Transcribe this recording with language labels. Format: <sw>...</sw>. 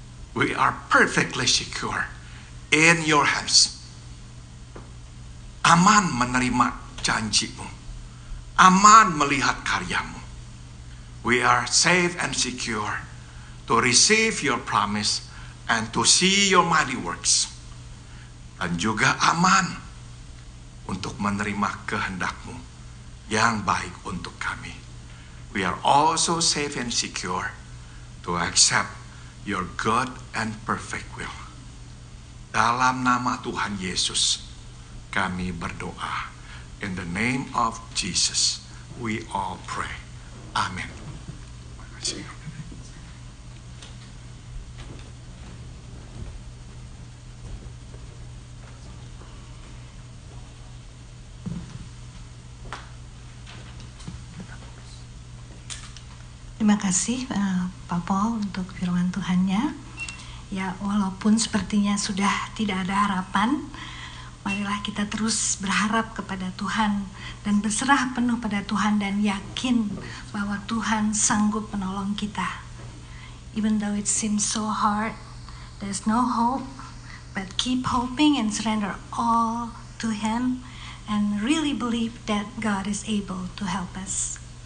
<en>We are perfectly secure in your hands.</en> <id>Aman menerima janji-Mu. Aman melihat karya-Mu.</id> <en>We are safe and secure to receive your promise and to see your mighty works.</en> <id>Dan juga aman untuk menerima kehendak-Mu yang baik untuk kami.</id> <en>We are also safe and secure to accept your good and perfect will.</en> <id>Dalam nama Tuhan Yesus, kami berdoa.</id> <en>In the name of Jesus, we all pray.</en> <id>Amen. Terima kasih Pak Paul untuk firman Tuhannya. Ya, walaupun sepertinya sudah tidak ada harapan, marilah kita terus berharap kepada Tuhan dan berserah penuh pada Tuhan dan yakin bahwa Tuhan sanggup menolong kita. Even though it seems so hard, there's no hope, but keep hoping and surrender all to Him and really believe that God is able to help us.</id>